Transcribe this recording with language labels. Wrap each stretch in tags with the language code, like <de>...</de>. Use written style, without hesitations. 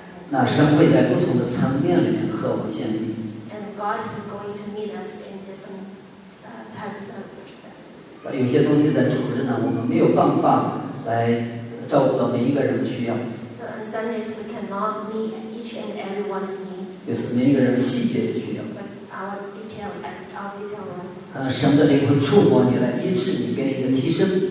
<zh>那神会在不同的层面里面和我们相遇。</zh> <en>And God is going to meet us in different types of perspective.</en> <zh>有些东西在组织呢，我们没有办法来照顾到每一个人的需要。</zh> <en>So on Sundays we cannot meet each and everyone's needs.</en> <zh>就是每一个人细节的需要。</zh> <en>Our detail</en> <zh>神的灵魂触摸你来医治你，给你一个提升。</zh>